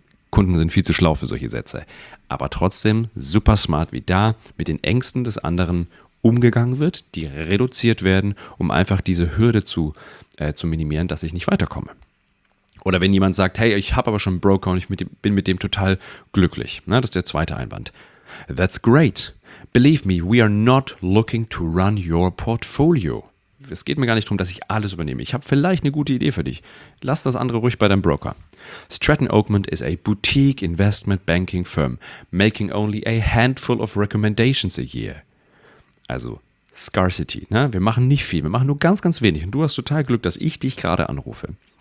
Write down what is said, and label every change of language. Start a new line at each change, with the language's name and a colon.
German: Kunden sind viel zu schlau für solche Sätze. Aber trotzdem super smart, wie da mit den Ängsten des anderen umgegangen wird, die reduziert werden, um einfach diese Hürde zu minimieren, dass ich nicht weiterkomme. Oder wenn jemand sagt, hey, ich habe aber schon einen Broker und bin mit dem total glücklich. Na, das ist der zweite Einwand.
English: That's great. Believe me, we are not looking to run your portfolio.
German: Es geht mir gar nicht darum, dass ich alles übernehme. Ich habe vielleicht eine gute Idee für dich. Lass das andere ruhig bei deinem Broker.
English: Stratton Oakman is a boutique investment banking firm, making only a handful of recommendations a year.
German: Also Scarcity. Ne? Wir machen nicht viel, wir machen nur ganz, ganz wenig. Und du hast total Glück, dass ich dich gerade anrufe.